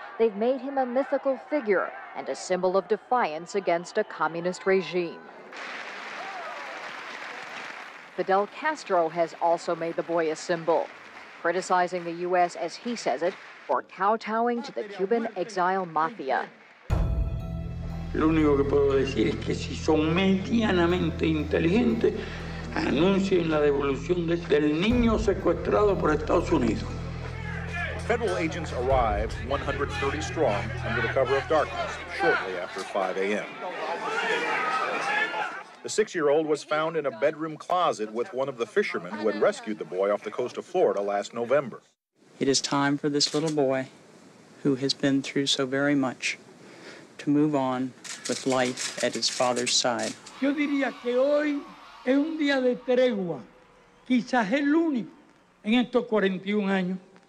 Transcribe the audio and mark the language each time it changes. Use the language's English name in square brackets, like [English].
[English] They've made him a mythical figure and a symbol of defiance against a communist regime. Fidel Castro has also made the boy a symbol, criticizing the U.S., as he says it, for kowtowing to the Cuban exile mafia. [Spanish] Lo único que puedo decir es que si son medianamente inteligentes, anuncien la devolución del niño secuestrado por Estados Unidos. [English] Federal agents arrive 130 strong under the cover of darkness shortly after 5 a.m. The six-year-old was found in a bedroom closet with one of the fishermen who had rescued the boy off the coast of Florida last November. It is time for this little boy, who has been through so very much, to move on with life at his father's side. [Spanish] Yo diría que hoy es un día de tregua, quizás el único en estos 41 años.